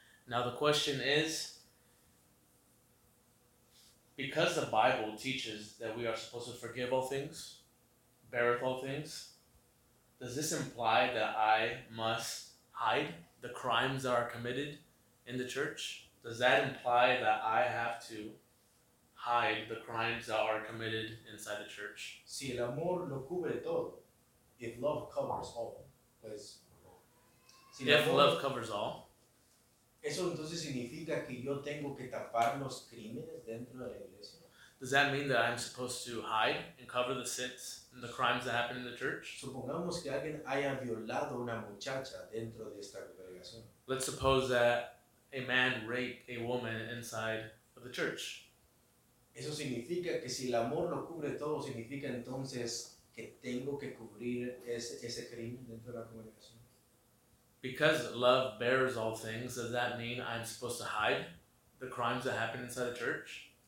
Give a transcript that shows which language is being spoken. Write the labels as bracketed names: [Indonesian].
[English] Now the question is, because the Bible teaches that we are supposed to forgive all things, beareth all things, does this imply that I must hide the crimes that are committed in the church? Does that imply that I have to hide the crimes that are committed inside the church? [Spanish] Si el amor lo cubre todo, [English] if love covers all, [Spanish] pues, si [English] if amor, love covers all, [Spanish] ¿eso entonces significa que yo tengo que tapar los crímenes dentro de la iglesia? [English] Does that mean that I'm supposed to hide and cover the sins and the crimes that happen in the church? [Spanish] Supongamos que alguien haya violado una muchacha dentro de esta congregación. [English] Let's suppose that a man raped a woman inside of the church. [Spanish] ¿Eso significa que si el amor lo cubre todo, significa entonces que tengo que cubrir ese crimen dentro de la congregación? [English] because love bears all things, does that mean I'm supposed to hide the crimes that happen inside the church?